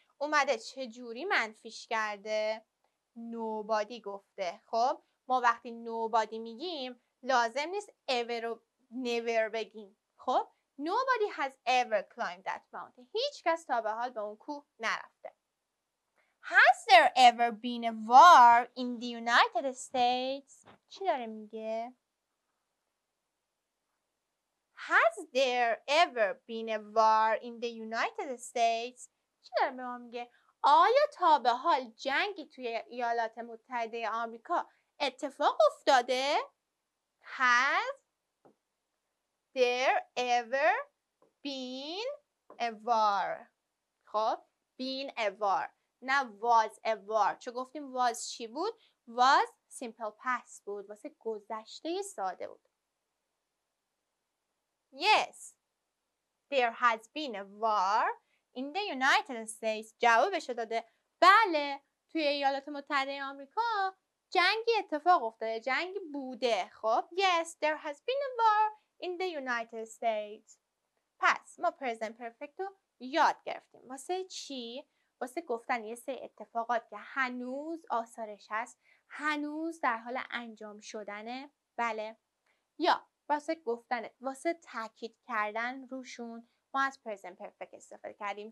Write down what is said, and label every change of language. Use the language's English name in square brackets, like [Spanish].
[Persian] اومده چه جوری منفیش کرده؟ nobody گفته. خب ما وقتی nobody میگیم لازم نیست ever و never بگیم. [English] خب nobody has ever climbed that mountain. [Persian] هیچ کس تا به حال به اون کوه نرفته. [English] Has there ever been a war in the United States? [Persian] چی داره میگه؟ [English] Has there ever been a war in the United States? [Persian] چی داره به ما میگه؟ آیا تا به حال جنگی توی ایالات متحده آمریکا اتفاق افتاده؟ [English] Has there ever been a war? خب been a war، نه was a war. [Persian] چه گفتیم was چی بود؟ was simple past بود، واسه گذشته ساده بود. [English] Yes, there has been a war in the United States. [Persian] جوابش داده بله، توی ایالات متحده آمریکا جنگی اتفاق افتاده، جنگی بوده. [English] خب yes, there has been a war in the United States. [Persian] پس ما present perfect رو یاد گرفتیم واسه چی؟ واسه گفتن یه سری اتفاقات که هنوز آثارش هست، هنوز در حال انجام شدنه. بله، یا واسه گفتن، واسه تاکید کردن روشون ما از پرزنت پرفکت استفاده کردیم.